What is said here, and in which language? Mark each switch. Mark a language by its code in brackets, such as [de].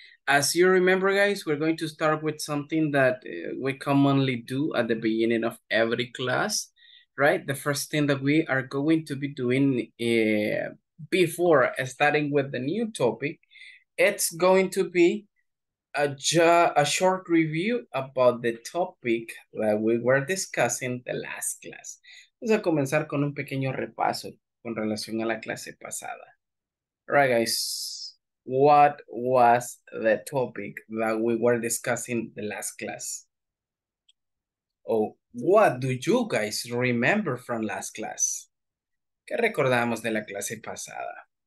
[en] As you remember, guys, we're going to start with something that we commonly do at the beginning of every class, right? The first thing that we are going to be doing before starting with the new topic, it's going to be a short review about the topic that we were discussing the last class. [es] Vamos a comenzar con un pequeño repaso con relación a la clase pasada. [en] All right, guys, what was the topic that we were discussing the last class? Oh, what do you guys remember from last class? [es] ¿Qué recordamos de la clase pasada?